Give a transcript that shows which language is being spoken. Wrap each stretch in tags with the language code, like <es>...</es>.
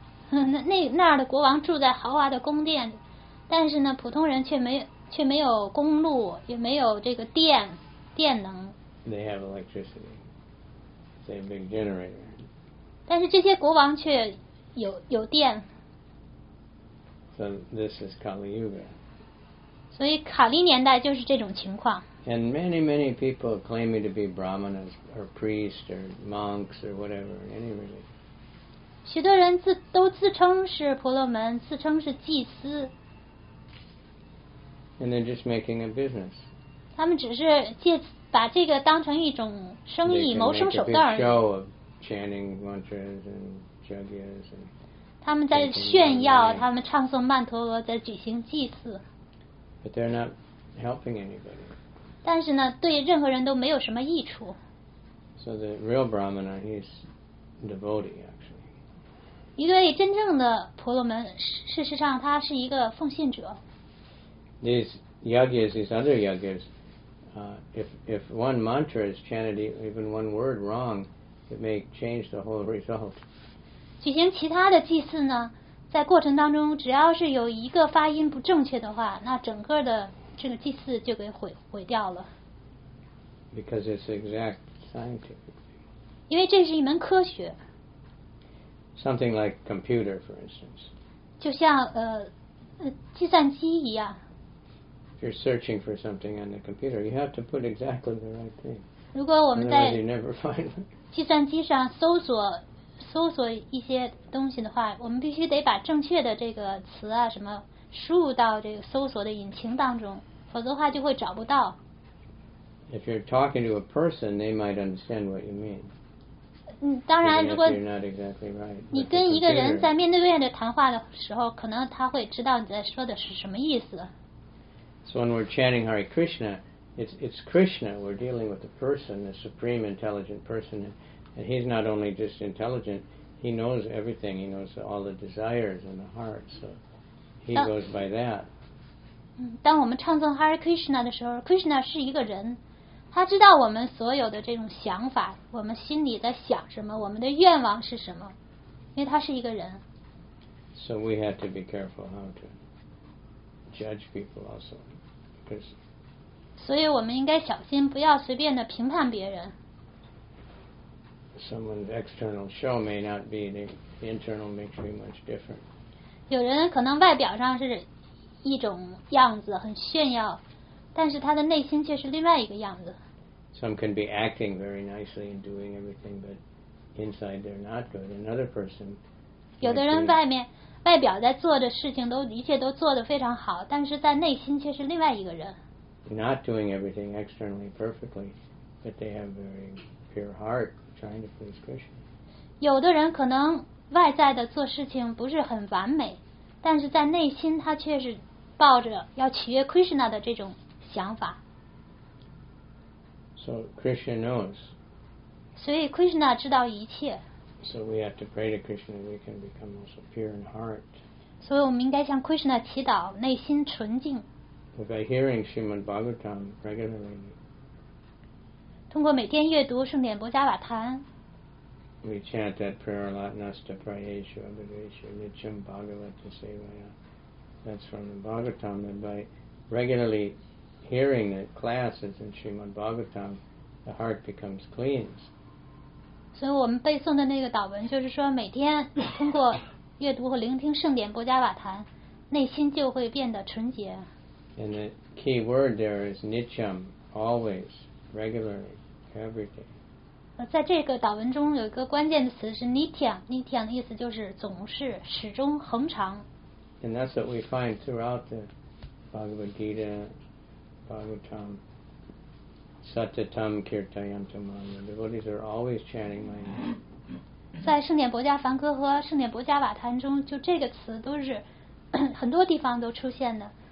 <zh>那儿的国王住在豪华的宫殿，但是呢，普通人却没有公路，也没有这个电能。</zh> <en>They have electricity. They have a big generator.</en> <zh>但是这些国王却有电。</zh> <en>So this is Kali Yuga.</en> <zh>所以卡利年代就是这种情况。</zh> <en>And many, many people claiming to be brahmanas or priests or monks or whatever, any religion.</en> <zh>许多人都自称是婆罗门，自称是祭司。</zh> <en>And they're just making a business.</en> <zh>他们只是借把这个当成一种生意，谋生手段而已。</zh> <en>They can make a big show of chanting mantras and jagyas.</en> <zh>他们在炫耀他们唱诵曼陀罗，在举行祭祀。</zh> <en>But they're not helping anybody.</en> <zh>但是呢，对任何人都没有什么益处。</zh> <en>So the real brahmana, he's devotee actually.</en> <zh>一位真正的婆罗门，事实上他是一个奉献者。</zh> <en>These yagyas, these other yagyas, if one mantra is chanted, even one word wrong, it may change the whole result.</en> <zh>举行其他的祭祀呢，在过程当中，只要是有一个发音不正确的话，那整个的这个祭祀就给毁掉了。</zh> <en>Because it's exact scientific.</en> <zh>因为这是一门科学。</zh> <en>Something like computer, for instance.</en> <zh>就像计算机一样。</zh> <en>If you're searching for something on the computer, you have to put exactly the right thing.</en> <zh>如果我们在计算机上搜索一些东西的话，我们必须得把正确的这个词啊什么输入到这个搜索的引擎当中，否则的话就会找不到。</zh> <en>If you're talking to a person, they might understand what you mean.</en> <zh>当然，如果你跟一个人在面对面的谈话的时候，可能他会知道你在说的是什么意思。</zh> <en>So when we're chanting Hare Krishna, it's Krishna. We're dealing with the person, the supreme intelligent person. And he's not only just intelligent, he knows everything. He knows all the desires in the heart. So he goes by that.</en> <zh>当我们唱诵 Hare Krishna 的时候， Krishna 是一个人，他知道我们所有的这种想法，我们心里在想什么，我们的愿望是什么，因为他是一个人。</zh> <en>So we have to be careful how to judge people also, because.</en> <zh>所以我们应该小心，不要随便的评判别人。</zh> <en>Someone's external show may not be the internal makes me much different.</en> <zh>有人可能外表上是一种样子，很炫耀，但是他的内心却是另外一个样子。</zh> <en>Some can be acting very nicely and doing everything, but inside they're not good. Another person.</en> <zh>有的人外表在做的事情都一切都做得非常好，但是在内心却是另外一个人。</zh> <en>Not doing everything externally perfectly, but they have a very pure heart trying to please Krishna.</en> <zh>有的人可能外在的做事情不是很完美，但是在内心他却是抱着要取悦 Krishna 的这种想法。</zh> <en>So Krishna knows.</en> <zh>所以 Krishna 知道一切。</zh> <en>So we have to pray to Krishna we can become also pure in heart.</en> <zh>所以我们应该向 Krishna 祈祷，内心纯净。</zh> <en>By hearing Srimad Bhagavatam regularly.</en> <zh>通过每天阅读圣典博伽瓦坛。</zh> <en>We chant that prayer a lot,</en> <sa>Nasta Prayeshu Abhidvesha Nityam Bhagavata Sevaya.</sa> <en>That's from the Bhagavatam. And by regularly hearing the classes in Srimad Bhagavatam, the heart becomes cleansed.</en> <zh>所以我们背诵的那个祷文就是说，每天通过阅读和聆听圣典博伽瓦坛，内心就会变得纯洁。</zh> <en>And the key word there is nityam, always, regularly, every day.</en> <zh>在这个祷文中有一个关键的词是 nityam, nityam 的意思就是总是、始终、恒常。</zh> <en>And that's what we find throughout the Bhagavad Gita, Bhagavatam, Satyatam, Kirtayantam, the devotees are always chanting my name.</en> <zh>在圣典博迦梵歌和圣典博迦瓦坛中就这个词都是很多地方都出现的。</zh>